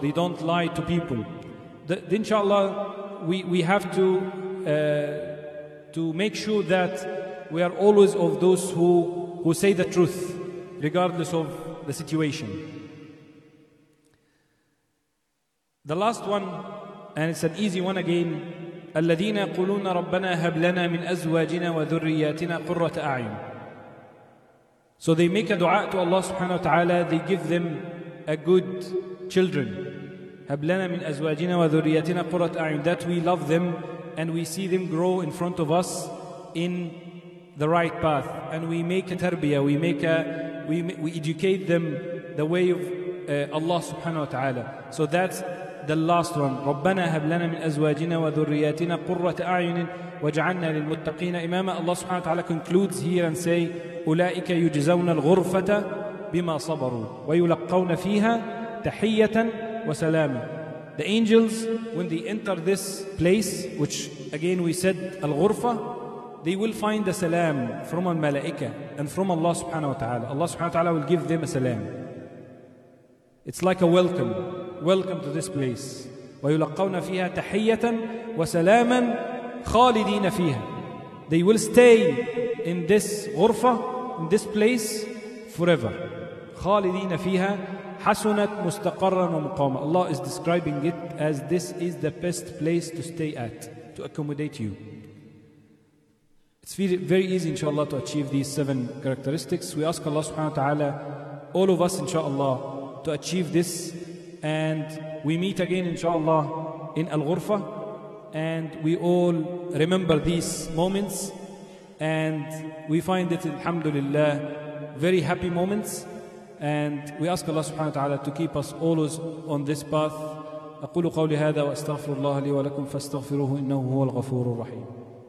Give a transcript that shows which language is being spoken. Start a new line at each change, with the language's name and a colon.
English: They don't lie to people. Inshallah, we have to make sure that we are always of those who say the truth, regardless of the situation. The last one, and it's an easy one again.
Arabic: الذين يقولون ربنا هب لنا من أزواجنا وذرياتنا قرة أعين.
English: So they make a dua to Allah subhanahu wa ta'ala. They give them a good children.
Arabic: هب لنا من أزواجنا وذرياتنا قرة أعين.
English: That we love them and we see them grow in front of us in the right path. And we make a tarbiyah, we educate them the way of Allah subhanahu wa ta'ala. So that's the last one.
Arabic: ربنا هب لنا من أزواجنا وذرياتنا قرة أعين وجعلنا للمتقين إماما.
English: Allah subhanahu wa ta'ala concludes here and say,
Arabic: أولئك يجزون الغرفة بما صبروا ويلقون فيها تحية وسلاما.
English: The angels, when they enter this place, which again we said الغرفة, they will find a salam from al-malaika and from Allah subhanahu wa ta'ala. Allah subhanahu wa ta'ala will give them a salam. It's like a welcome to this place.
Arabic: ويلقون فيها تحية وسلاما خالدين فيها.
English: They will stay in this غرفة, in this place forever.
Arabic: خالدين فيها حسنة مستقرا ومقاما.
English: Allah is describing it as this is the best place to stay at, to accommodate you. It's very easy, inshallah, to achieve these seven characteristics. We ask Allah subhanahu wa ta'ala, all of us, inshallah, to achieve this. And we meet again, inshallah, in Al-Ghurfa. And we all remember these moments. And we find it, alhamdulillah, very happy moments. And we ask Allah subhanahu wa ta'ala to keep us always on this path.
Arabic: أقول قولي هذا وأستغفر الله لي ولكم فاستغفروه إنه هو الغفور الرحيم.